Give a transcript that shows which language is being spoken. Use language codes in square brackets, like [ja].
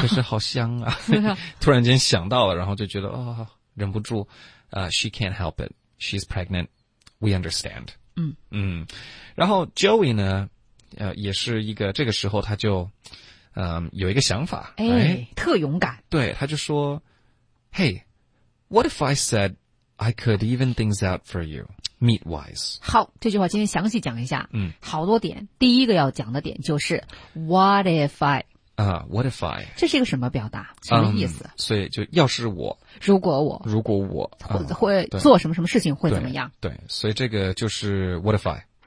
[zh] 可是好香啊！突然间想到了，然后就觉得哦，忍不住。 [en] She can't help it. She's pregnant. We understand. 嗯嗯。 [zh] 然后 Joey 呢，也是一个这个时候他就，有一个想法，哎，特勇敢。对，他就说 [en] ，Hey, what if I said I could even things out for you meat wise? [zh] 好，这句话今天详细讲一下。嗯，好多点。第一个要讲的点就是 What if I。 [en] What if I? [zh] 这是一个什么表达？什么意思？所以就要是我，如果我会做什么什么事情会怎么样？对，所以这个就是 What if I?